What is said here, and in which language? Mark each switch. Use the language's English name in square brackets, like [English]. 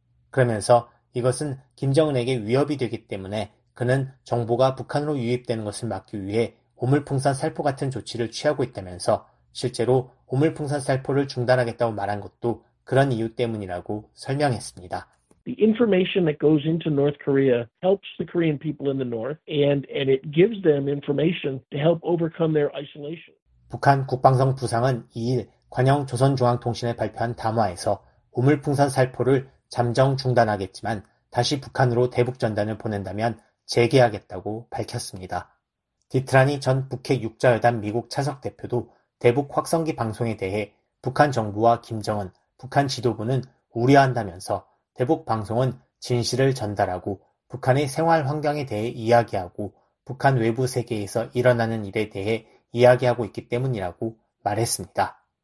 [Korean] 그러면서 이것은 김정은에게 위협이 되기 때문에 그는 정보가 북한으로 유입되는 것을 막기 위해 오물풍선 살포 같은 조치를 취하고 있다면서 실제로 오물풍선 살포를 중단하겠다고 말한 것도 그런 이유 때문이라고 설명했습니다. [English] The information that goes into North Korea helps the Korean people in the north and it gives them information to help overcome their isolation. [Korean] 북한 국방성 부상은 2일 관영 조선중앙통신에 발표한 담화에서 우물풍선 살포를 잠정 중단하겠지만 다시 북한으로 대북 전단을 보낸다면 재개하겠다고 밝혔습니다. 디트라니 전 북핵 6자회담 미국 차석 대표도 대북 확성기 방송에 대해 북한 정부와 김정은, 북한 지도부는 우려한다면서 대북 방송은 진실을 전달하고 북한의 생활 환경에 대해 이야기하고 북한 외부 세계에서 일어나는 일에 대해 이야기하고 있기 때문이라고 말했습니다.